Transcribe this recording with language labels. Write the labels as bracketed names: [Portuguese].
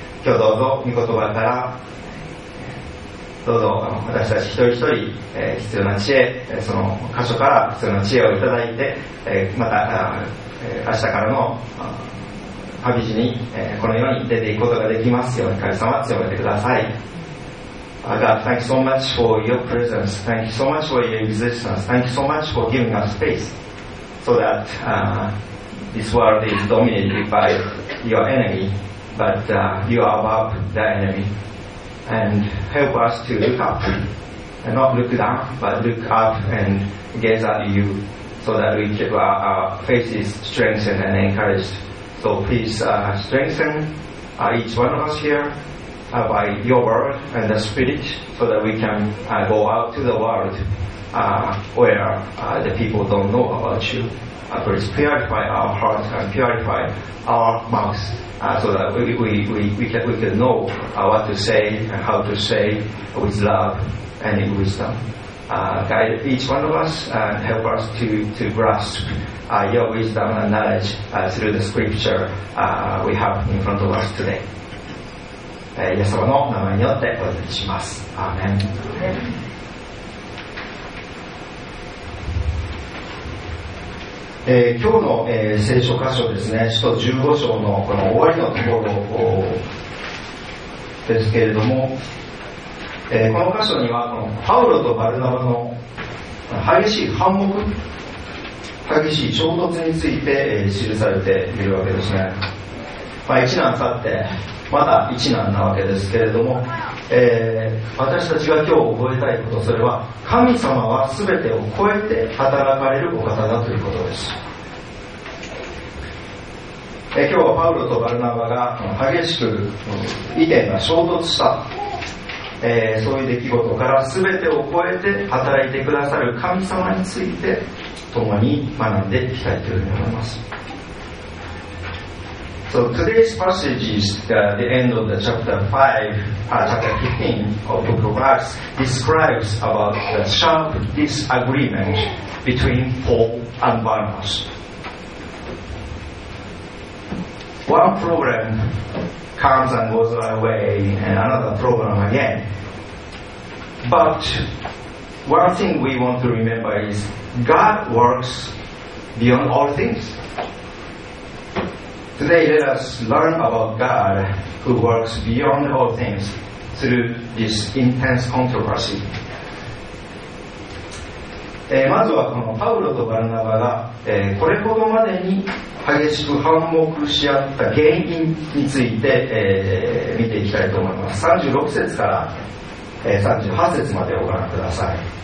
[Japanese] 今日どうぞ御言葉から、どうぞ私たち一人一人、必要な知恵、その箇所から必要な知恵をいただいて、また明日からの旅路に、このように出ていくことができますように、神様強めてください。 [English] God, thank you so much for your presence. Thank you so much for your existence. Thank you so much for giving us space so that this world is dominated by your enemy, but you are above the enemy. And help us to look up, and not look down, but look up and gaze at you so that we keep our faces strengthened and encouraged. So please strengthen each one of us here. By your word and the spirit, so that we can go out to the world where the people don't know about you. Please purify our hearts and purify our mouths so that we can know what to say and how to say with love and in wisdom. Guide each one of us and help us to grasp your wisdom and knowledge through the scripture we have in front of us today. [Japanese] イエス様の名前によってお祈りします。アーメン。今日の、聖書箇所ですね、使徒15章のこの終わりのところですけれども、この箇所にはこのパウロとバルナバの激しい反目、激しい衝突について、記されているわけですね。まあ、一難去ってまだ一難なわけですけれども、私たちが今日覚えたいこと、それは神様は全てを超えて働かれるお方だということです。今日はパウロとバルナバが激しく意見が衝突した、そういう出来事から全てを超えて働いてくださる神様について共に学んでいきたいというふうに思います。 [English] So today's passage is the end of the chapter 15 of the book of Acts describes about the sharp disagreement between Paul and Barnabas. One problem comes and goes away, and another problem again. But one thing we want to remember is God works beyond all things. Today, let us learn about God who works beyond all things through this intense controversy. [Japanese] まずはこのパウロとバルナバが、これほどまでに激しく反目し合った原因について、見ていきたいと思います。 36節から、38節までをご覧ください。